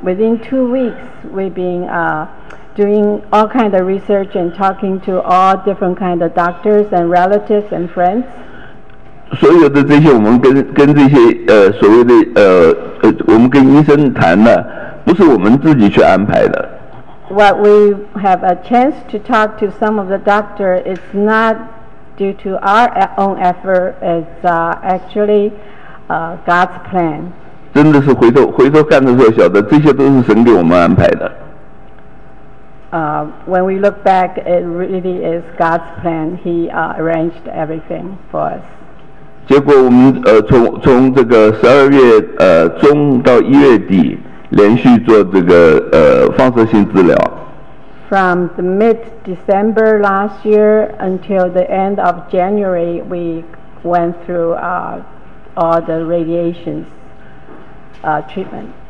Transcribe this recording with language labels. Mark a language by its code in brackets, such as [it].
[en] Within 2 weeks, we've been doing all kind of research and talking to all different kind of doctors and relatives and friends. [zh] 所有的这些我们跟这些所谓的我们跟医生谈的，不是我们自己去安排的。 [en] What we have a chance to talk to some of the doctor is not. Due to our own effort, is actually God's plan. [zh] 真的是回头看的时候，晓得这些都是神给我们安排的。 [en] When we look back, it really is God's plan. He arranged everything for us. [zh] 结果我们从这个十二月中到一月底，连续做这个放射性治疗。 [en] From the mid-December last year until the end of January, we went through all the radiations treatment.